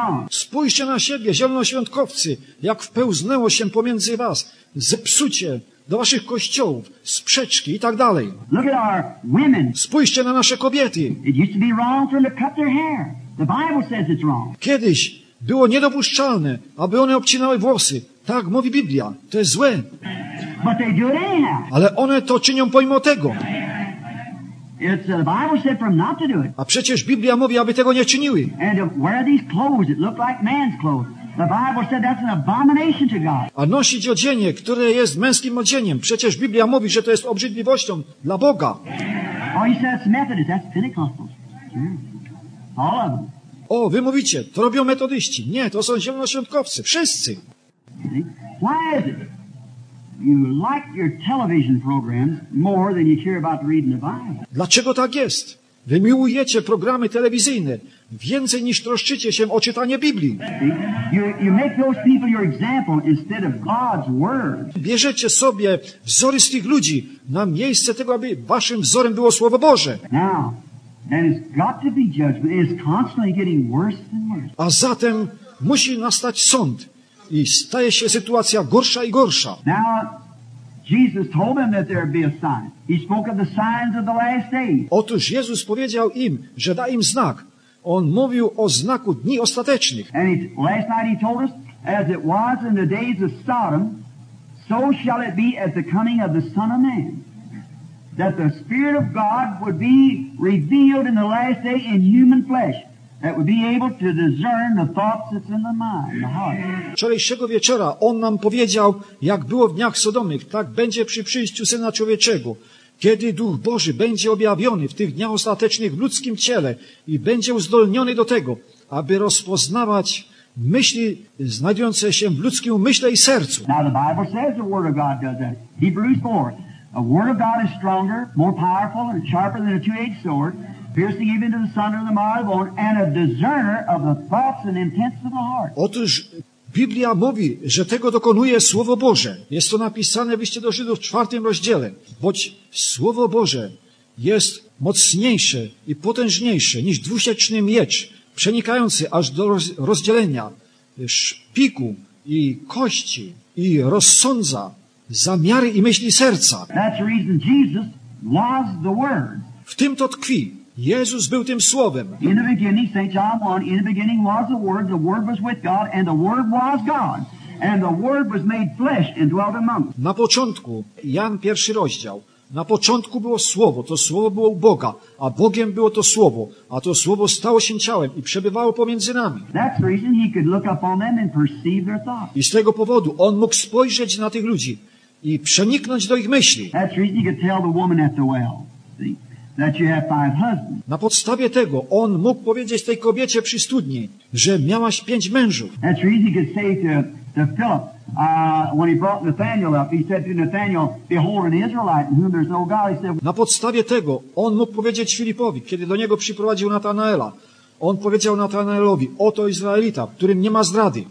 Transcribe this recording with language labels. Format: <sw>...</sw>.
<pl>Spójrzcie na siebie, zielonoświątkowcy, jak wpełznęło się pomiędzy was, zepsucie do waszych kościołów, sprzeczki i tak dalej.</pl> <en>Look at our women.</en> <pl>Spójrzcie na nasze kobiety.</pl> <en>It used to be wrong for them to cut their hair. The Bible says it's wrong.</en> <pl>Kiedyś było niedopuszczalne, aby one obcinały włosy. Tak mówi Biblia. To jest złe.</pl> <en>But they do it anyhow.</en> <pl>Ale one to czynią pomimo tego.</pl> <en>It's the Bible said for them not to do it.</en> <pl>A przecież Biblia mówi, aby tego nie czyniły.</pl> <en>And wear these clothes that look like man's clothes. The Bible said that's an abomination to God.</en> <pl>A nosić odzienie, które jest męskim odzieniem, przecież Biblia mówi, że to jest obrzydliwością dla Boga.</pl> <en>Oh, you say that's Methodist, that's Pentecostals. All of them.</en> <pl>O, wy mówicie, to robią metodyści. Nie, to są zielonoświątkowcy. Wszyscy.</pl> <en>Why is it you like your television programs more than you care about reading the Bible?</en> <pl>Dlaczego tak jest? Wy miłujecie programy telewizyjne więcej niż troszczycie się o czytanie Biblii.</pl> <en>You make those people your example instead of God's word.</en> <pl>Bierzecie sobie wzory z tych ludzi na miejsce tego, aby waszym wzorem było Słowo Boże.</pl> <en>Now, that has got to be judgment. It is constantly getting worse and worse.</en> <pl>A zatem musi nastać sąd i staje się sytuacja gorsza i gorsza.</pl> <en>Now, Jesus told them that there'd be a sign. He spoke of the signs of the last days.</en> <pl>Otóż Jezus powiedział im, że da im znak. On mówił o znaku dni ostatecznych.</pl> <en>And last night he told us, as it was in the days of Sodom, so shall it be at the coming of the Son of Man. That the Spirit of God would be revealed in the last day in human flesh. That would be able to discern the thoughts that's in the mind, the heart.</en> <pl>Wczorajszego wieczora on nam powiedział, jak było w dniach Sodomych, tak będzie przy przyjściu Syna Człowieczego. Kiedy Duch Boży będzie objawiony w tych dniach ostatecznych w ludzkim ciele i będzie uzdolniony do tego, aby rozpoznawać myśli znajdujące się w ludzkim umyśle i sercu.</pl> <en>Now the Bible says the Word of God does that. Hebrews 4. A Word of God is stronger, more powerful, and sharper than a two-edged sword, piercing even to the sunder and the marrow of the bone, and a discerner of the thoughts and intents of the heart.</en> <pl>Otóż Biblia mówi, że tego dokonuje Słowo Boże. Jest to napisane w liście do Żydów w 4 rozdziale. Boć Słowo Boże jest mocniejsze i potężniejsze niż dwusieczny miecz, przenikający aż do rozdzielenia szpiku i kości i rozsądza zamiary i myśli serca.</pl> <en>That's the reason Jesus was the word.</en> <pl>W tym to tkwi. Jezus był tym Słowem.</pl> <en>In the beginning, St. John 1, in the beginning was the Word was with God, and the Word was God. And the Word was made flesh and dwelt among us.</en> <pl>Na początku, Jan 1 rozdział, na początku było Słowo, to Słowo było u Boga, a Bogiem było to Słowo, a to Słowo stało się ciałem i przebywało pomiędzy nami.</pl> <en>That's the reason he could look up on them and perceive their thoughts.</en> <pl>I z tego powodu on mógł spojrzeć na tych ludzi i przeniknąć do ich myśli.</pl> <en>That's the reason he could tell the woman at the well. That you have five husbands.</en> <pl>Na podstawie tego on mógł powiedzieć tej kobiecie przy studni, że miałaś pięć mężów.</pl> <en>That's what he could say to Philip when he brought Nathaniel up. He said to Nathaniel, "Behold, an Israelite in whom there's no God." He said.</en> <pl>Na podstawie tego on mógł powiedzieć Filipowi, kiedy do niego przyprowadził Natanaela. On powiedział Natanaelowi, oto Izraelita, w którym nie ma zdrady.</pl>